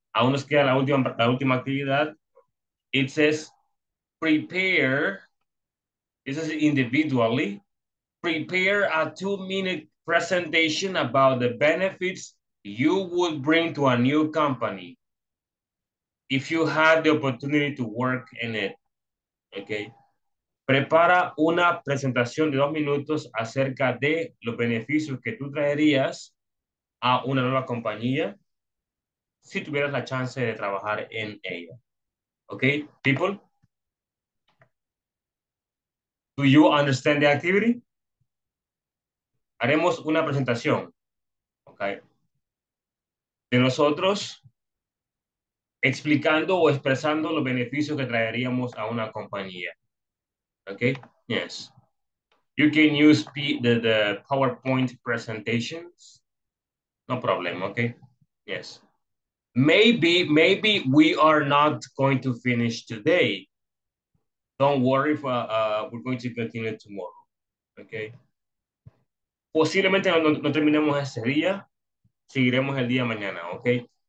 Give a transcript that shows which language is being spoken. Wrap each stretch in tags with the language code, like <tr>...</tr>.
<es>Aún nos queda la última actividad.</es> <en>It says, prepare. This is individually. Prepare a 2-minute presentation about the benefits you would bring to a new company. if you had the opportunity to work in it, okay?</en> <es>Prepara una presentación de 2 minutos acerca de los beneficios que tú traerías a una nueva compañía si tuvieras la chance de trabajar en ella.</es> <en>Okay, people? Do you understand the activity?</en> <es>Haremos una presentación, okay, de nosotros explicando o expresando los beneficios que traeríamos a una compañía.</es> <en>Okay, yes. You can use the PowerPoint presentations. No problem, okay? Yes. Maybe we are not going to finish today. Don't worry, if, we're going to continue tomorrow, okay?</en> <es>Posiblemente no terminemos ese día, seguiremos el día mañana, okay?</es>